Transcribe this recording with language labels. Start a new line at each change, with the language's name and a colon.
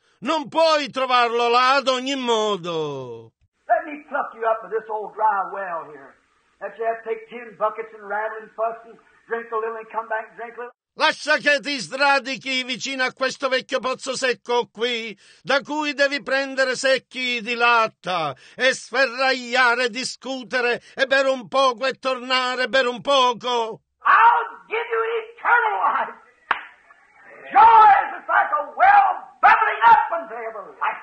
Italian: Non puoi trovarlo là ad ogni modo.
English: Let me pluck you up to this old dry well here. That you have to take 10 buckets and rattle and fuss and drink a little and come back and drink a little.
Italian: Lascia che ti sradichi vicino a questo vecchio pozzo secco qui, da cui devi prendere secchi di latta e sferragliare, discutere e bere un poco e tornare, bere un poco.
English: I'll give you eternal life. Joy is like a well bubbling up and table.